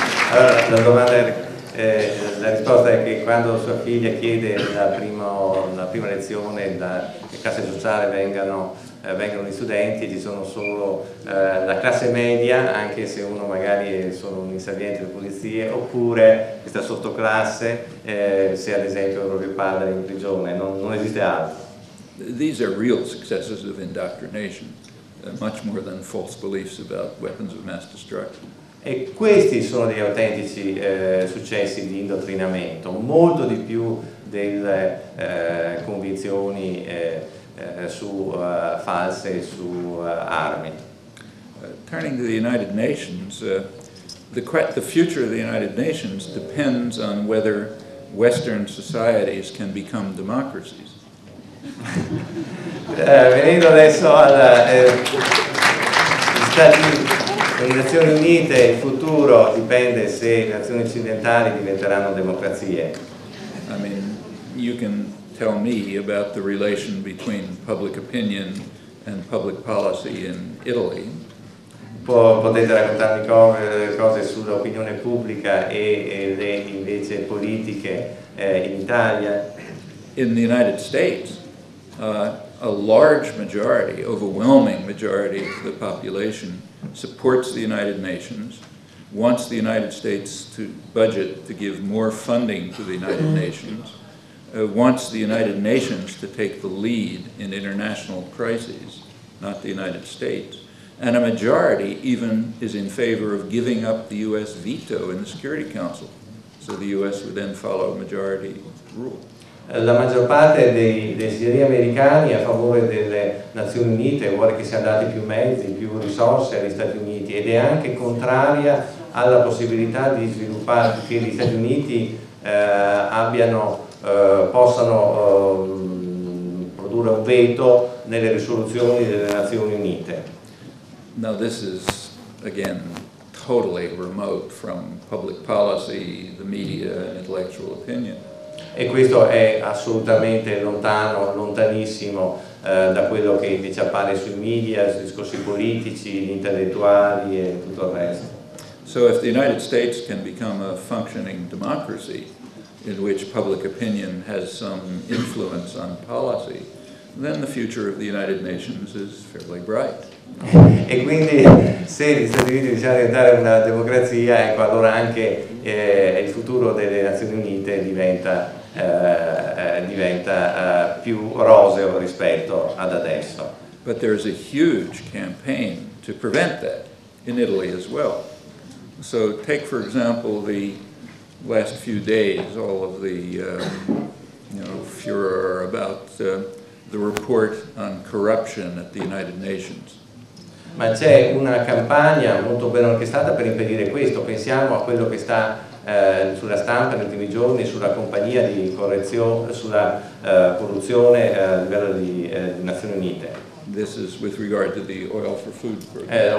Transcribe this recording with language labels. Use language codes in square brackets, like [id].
[it] Allora, la domanda è, la risposta è che quando sua figlia chiede la prima lezione che classe sociale vengano gli studenti, ci sono solo la classe media, anche se uno magari è solo un inserviente di polizia, oppure questa sottoclasse, se ad esempio il proprio padre è in prigione, non esiste altro. [en] These are real successes of indoctrination, much more than false beliefs about weapons of mass destruction. [it] E questi sono degli autentici successi di indottrinamento, molto di più delle convinzioni false su armi. [en] Turning to the United Nations, the future of the United Nations depends on whether Western societies can become democracies. [it] Venendo adesso alla Stati Uniti. Le Nazioni Unite, il futuro dipende se le nazioni occidentali diventeranno democrazie. [en] I mean, you can tell me about the relation between public opinion and public policy in Italy. [it] Potete raccontarmi cose sull'opinione pubblica e le invece politiche in Italia. [en] In the United States, a large majority, overwhelming majority of the population supports the United Nations, wants the United States to budget to give more funding to the United Nations, wants the United Nations to take the lead in international crises, not the United States, and a majority even is in favor of giving up the U.S. veto in the Security Council, so the U.S. would then follow majority rule. [it] La maggior parte dei cittadini americani è a favore delle Nazioni Unite, vuole che siano dati più mezzi, più risorse agli Stati Uniti ed è anche contraria alla possibilità di sviluppare che gli Stati Uniti possano produrre un veto nelle risoluzioni delle Nazioni Unite. [en] Now this is again totally remote from public policy, the media, intellectual opinion. [it] E questo è assolutamente lontano, lontanissimo da quello che invece appare sui media, sui discorsi politici, gli intellettuali e tutto il resto. [en] So if the United States can become a functioning democracy in which public opinion has some influence on policy, then the future of the United Nations is fairly bright. [it] E quindi se gli Stati Uniti iniziano a diventare una democrazia, ecco, allora anche il futuro delle Nazioni Unite diventa più roseo rispetto ad adesso. [en] But there is a huge campaign to prevent that in Italy as well. So take for example the last few days, all of the furor about the report on corruption at the United Nations. [it] Ma c'è una campagna molto ben orchestrata per impedire questo. Pensiamo a quello che sta sulla stampa negli ultimi giorni sulla compagnia di correzione sulla corruzione a livello di Nazioni Unite. [en] This is with regard to the oil for food program.